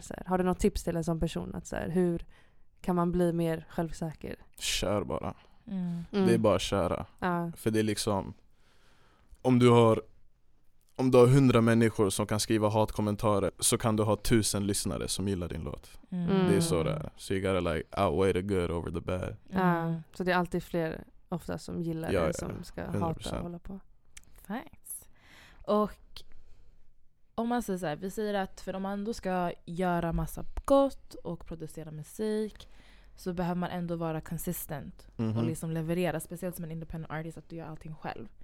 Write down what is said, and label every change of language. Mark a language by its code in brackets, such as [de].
[sv] Så här. Har du något tips till en sån person? Att så här, hur kan man bli mer självsäker? Kör bara. Mm. Det är bara att köra. Ja. För det är liksom, om du har 100 människor som kan skriva hatkommentarer så kan du ha 1000 lyssnare som gillar din låt. Mm. Det är så det är. [en] So you gotta like outweigh the good over the bad. [sv] Så det är alltid fler ofta som gillar det som ska 100%. Hata och hålla på. [en] Thanks. [sv] Och om man säger så här, vi säger att för om man då ska göra massa gott och producera musik så behöver man ändå vara consistent och liksom leverera, speciellt som en independent artist, att du gör allting själv.